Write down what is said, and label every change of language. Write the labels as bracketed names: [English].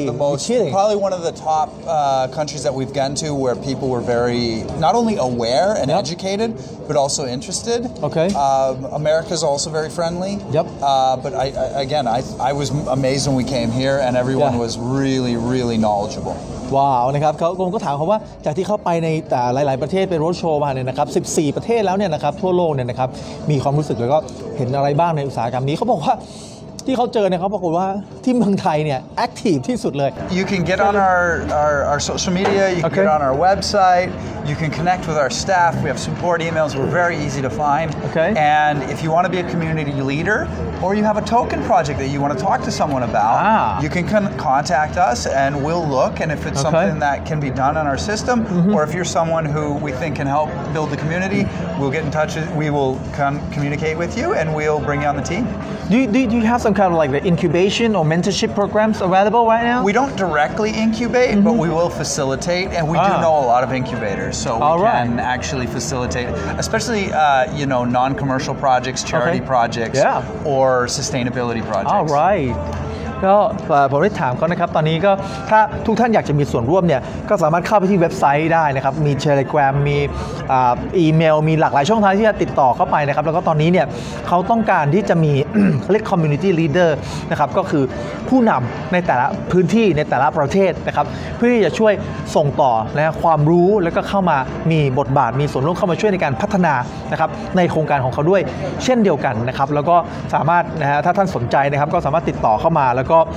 [English] And the most probably one of the top countries that we've gone to where people were very not only aware and educated but also interested America's also very friendly but I was amazed when we came here and everyone was really really knowledgeable [Thai] wow นะครับเขาผมก็ถามเขาว่าจากที่เข้าไปในแต่หลายๆประเทศเป็นโรดโชว์มาเนี่ยนะครับ14ประเทศแล้วเนี่ยนะครับทั่วโลกเนี่ยนะครับมีความรู้สึกแล้วก็เห็นอะไรบ้างในอุตสาหกรรมนี้เขาบอกว่าที่เขาเจอเนี่ยเขาบอกว่าที่เมืองไทยเนี่ย active ที่สุดเลย [English] you can get on our social media you can get on our website you can connect with our staff we have support emails we're very easy to find and if you want to be a community leader or you have a token project that you want to talk to someone about you can contact us and we'll look and if it's something that can be done on our system or if you're someone who we think can help build the community we'll get in touch we will communicate with you and we'll bring you on the team do you have some kind of like the incubation or mentorship programs available right now? We don't directly incubate, but we will facilitate, and we do know a lot of incubators, so we can actually facilitate, especially, you know, non-commercial projects, charity projects, or sustainability projects. All right. [Thai] ก็ผมได้ถามเขานะครับตอนนี้ก็ถ้าทุกท่านอยากจะมีส่วนร่วมเนี่ยก็สามารถเข้าไปที่เว็บไซต์ได้นะครับมี Telegram มีอีเมลมีหลากหลายช่องทางที่จะติดต่อเข้าไปนะครับแล้วก็ตอนนี้เนี่ยเขาต้องการที่จะมี เรียก community leader นะครับก็คือผู้นำในแต่ละพื้นที่ในแต่ละประเทศนะครับเพื่อที่จะช่วยส่งต่อนะความรู้แล้วก็เข้ามามีบทบาทมีส่วนร่วมเข้ามาช่วยในการพัฒนานะครับในโครงการของเขาด้วยเช่นเดียวกันนะครับแล้วก็สามารถนะฮะถ้าท่านสนใจนะครับก็สามารถติดต่อเข้ามาแล้ว